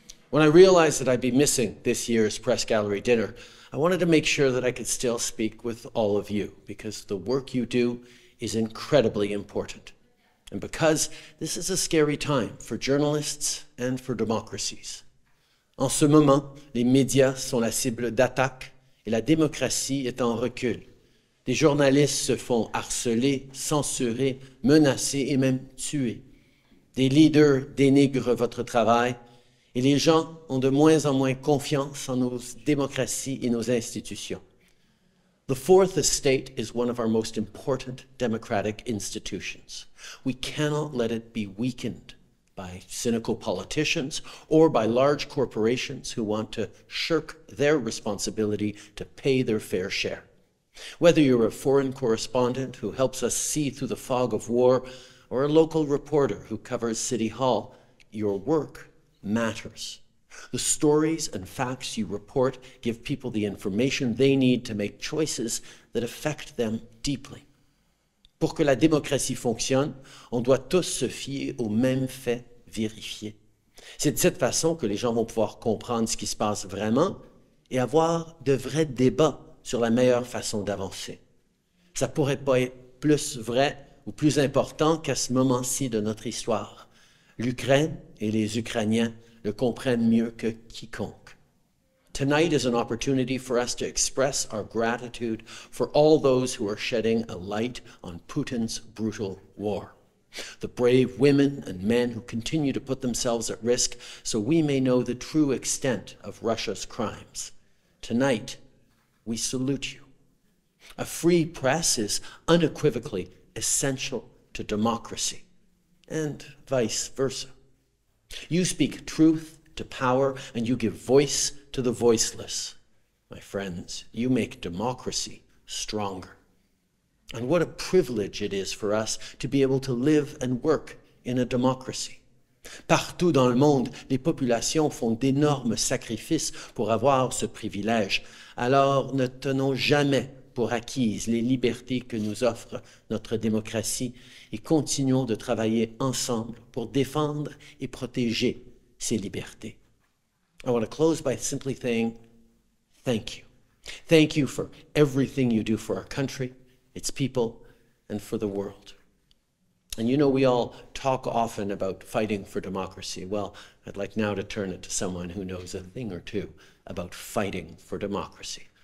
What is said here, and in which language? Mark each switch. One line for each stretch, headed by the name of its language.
English: When I realized that I'd be missing this year's press gallery dinner, I wanted to make sure that I could still speak with all of you, because the work you do is incredibly important. And because this is a scary time for journalists and for democracies.
French: En ce moment, les médias sont la cible d'attaques et la démocratie est en recul. Des journalistes se font harceler, censurer, menacer et même tuer. Des leaders dénigrent votre travail et les gens ont de moins en moins confiance en nos démocraties et nos institutions.
English: The Fourth Estate is one of our most important democratic institutions. We cannot let it be weakened by cynical politicians or by large corporations who want to shirk their responsibility to pay their fair share. Whether you're a foreign correspondent who helps us see through the fog of war, or a local reporter who covers City Hall, your work matters. The stories and facts you report give people the information they need to make choices that affect them deeply.
French: Pour que la démocratie fonctionne, on doit tous se fier aux mêmes faits vérifiés. C'est de cette façon que les gens vont pouvoir comprendre ce qui se passe vraiment et avoir de vrais débats sur la meilleure façon d'avancer. Ça pourrait pas être plus vrai ou plus important qu'à ce moment-ci de notre histoire. L'Ukraine et les Ukrainiens le comprennent mieux que quiconque.
English: Tonight is an opportunity for us to express our gratitude for all those who are shedding a light on Putin's brutal war. The brave women and men who continue to put themselves at risk so we may know the true extent of Russia's crimes. Tonight, we salute you. A free press is unequivocally essential to democracy, and vice versa. You speak truth to power, and you give voice to the voiceless. My friends, you make democracy stronger. And what a privilege it is for us to be able to live and work in a democracy.
French: Partout dans le monde, les populations font d'énormes sacrifices pour avoir ce privilège. Alors ne tenons jamais pour acquises les libertés que nous offre notre démocratie et continuons de travailler ensemble pour défendre et protéger ces libertés.
English: I want to close by simply saying thank you. Thank you for everything you do for our country, its people, and for the world. And you know, we all talk often about fighting for democracy. Well, I'd like now to turn it to someone who knows a thing or two about fighting for democracy.